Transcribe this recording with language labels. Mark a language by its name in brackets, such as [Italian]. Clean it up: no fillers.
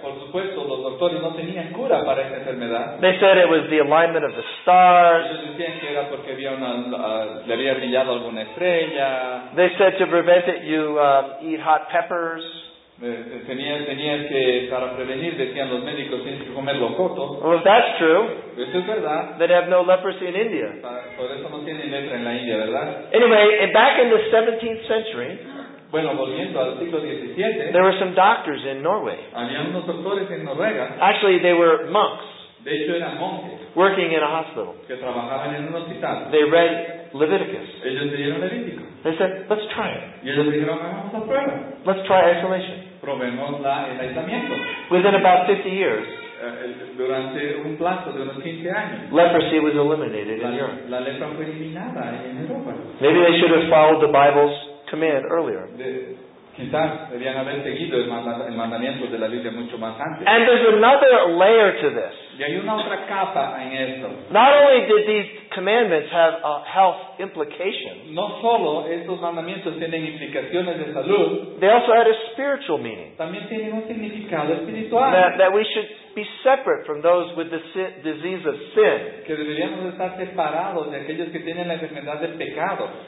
[Spanish] Por supuesto, los doctores no tenían cura para esta enfermedad. [English] They said it was the alignment of the stars. [Spanish] Ellos decían que era porque había una, le había brillado alguna estrella. [English] They said to prevent it you eat hot peppers. [Spanish] Tenías que, para prevenir, decían los médicos, tienes que comer locoto. [English] Well, if that's true, [Spanish] eso es verdad. [English] They'd have no leprosy in India. [Spanish] Por eso no tienen lepra en la India, ¿verdad? [English] Anyway, back in the 17th century, [Spanish] bueno, volviendo al siglo 17, [English] there were some doctors in Norway. [Spanish] Había unos doctores en Noruega. [English] Actually, they were monks. [Spanish] De hecho, eran monjes. [English] Working in a hospital. [Spanish] Que trabajaban en un hospital. [English] They read Leviticus. [Spanish] Ellos leyeron Levítico. [English] They said, let's try it. [Spanish] Y ellos dijeron, vamos a probar. [English] Let's try isolation. [Spanish] Probemos la, el aislamiento. [English] Within about 50 years, [Spanish] durante un plazo de unos 15 años, [English] leprosy was eliminated [Spanish] la, [English] in Europe. [Spanish] La lepra fue eliminada en Europa. [English] Maybe they should have followed the Bible's command earlier. [Spanish] Quizás debían haber seguido el mandamiento de la Biblia mucho más antes. [English] And there's another layer to this. [Spanish] Y hay una otra capa en esto. [English] Not only did these commandments have a health implication, [Spanish] no solo estos mandamientos tienen implicaciones de salud, [English] they also had a spiritual meaning. [Spanish] También tienen un significado espiritual. [English] That we should be separate from those with the disease of sin. [Spanish] Que deberíamos estar separados de aquellos que tienen la enfermedad del pecado.